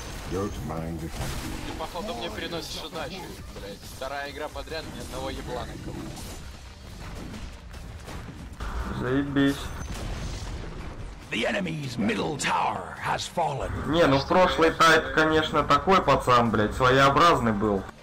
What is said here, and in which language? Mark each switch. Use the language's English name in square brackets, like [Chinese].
[Russian] Ты походу мне переносишь удачу, блядь. Вторая игра подряд ни одного ебла на кого. Заебись. [English] The enemy's middle tower has fallen. [Russian] Не, ну в прошлый тайп, конечно, такой пацан, блядь, своеобразный был.